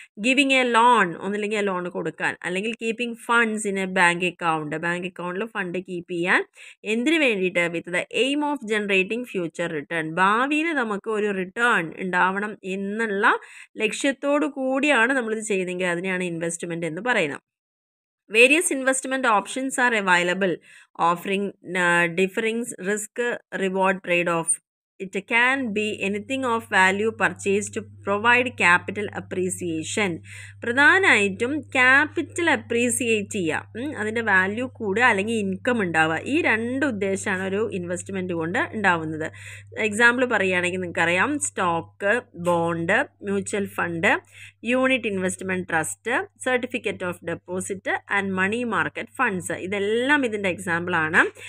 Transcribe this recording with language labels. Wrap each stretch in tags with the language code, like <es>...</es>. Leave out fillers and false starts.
<en>giving a loan,</en> <ml>ഒന്നില്ലെങ്കിൽ loan കൊടുക്കാൻ, അല്ലെങ്കിൽ</ml> <en>keeping funds in a bank account,</en> <ml>bank അക്കൗണ്ടിൽ ഫണ്ട് കീപ്പ് ചെയ്യാൻ, എന്തിനു വേണ്ടിയിട്ട്,</ml> <en>with the aim of generating future return,</en> <ml>ഭാവിയിൽ നമുക്ക് ഒരു റിട്ടേൺ ഉണ്ടാവണം എന്നുള്ള ലക്ഷ്യത്തോടു കൂടിയാണ് നമ്മളിത് ചെയ്യുന്നതെങ്കിൽ അതിനെയാണ് ഇൻവെസ്റ്റ്മെൻ്റ് എന്ന് പറയുന്നത്.</ml> <en>Various investment options are available, offering differing risk reward trade-off. It can be anything of value purchased to provide capital appreciation.</en> <ml>പ്രധാനമായിട്ടും ക്യാപിറ്റൽ അപ്രീസിയേറ്റ് ചെയ്യുക, അതിൻ്റെ വാല്യൂ കൂടുക അല്ലെങ്കിൽ ഇൻകം ഉണ്ടാവുക, ഈ രണ്ട് ഉദ്ദേശമാണ് ഒരു ഇൻവെസ്റ്റ്മെൻറ്റ് കൊണ്ട് ഉണ്ടാവുന്നത്. എക്സാമ്പിൾ പറയുകയാണെങ്കിൽ നിങ്ങൾക്കറിയാം, stock, bond, mutual fund, unit investment trust, certificate of deposit and money market funds, ഇതെല്ലാം ഇതിൻ്റെ എക്സാമ്പിളാണ്.</ml>